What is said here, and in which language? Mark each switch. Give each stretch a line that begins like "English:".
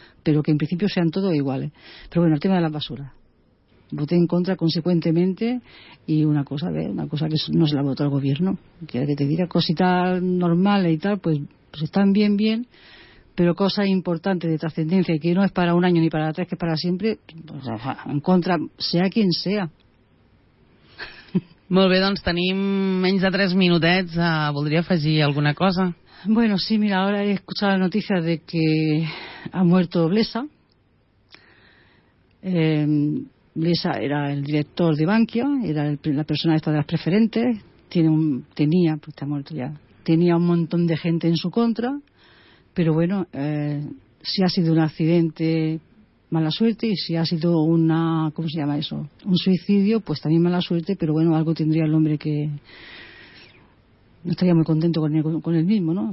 Spanish: Pero que en principio sean todos iguales. Pero bueno, el tema de las basuras. Voté en contra consecuentemente, y una cosa que no se la votó el gobierno, que te diga cositas normales y tal, pues están bien, pero cosas importantes de trascendencia, que no es para un año ni para tres, que es para siempre, pues, en contra, sea quien sea.
Catalan: Molt bé, doncs tenim menys de 3 minutets, voldria afegir alguna cosa.
Spanish: Bueno, sí, mira, ahora he escuchado la noticia de que ha muerto Blesa. Blesa era el director de Bankia, era la persona esta de las preferentes, tenía un montón de gente en su contra, pero bueno, si ha sido un accidente, mala suerte, y si ha sido un suicidio, pues también mala suerte, pero bueno, algo tendría el hombre que no estaría muy contento con él mismo, ¿no?